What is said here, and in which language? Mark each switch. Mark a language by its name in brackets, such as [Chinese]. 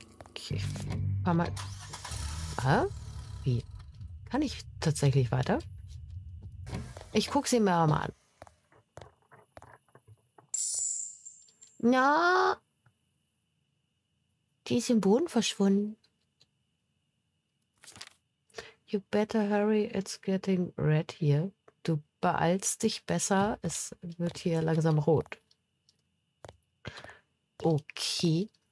[German] Okay. Ein paar Mal. Ah? Wie? Kann ich tatsächlich weiter? Ich guck sie mir mal an. Na? Die ist im Boden verschwunden. [English] You better hurry, it's getting red here. [German] Beeilst dich besser. Es wird hier langsam rot. Okay.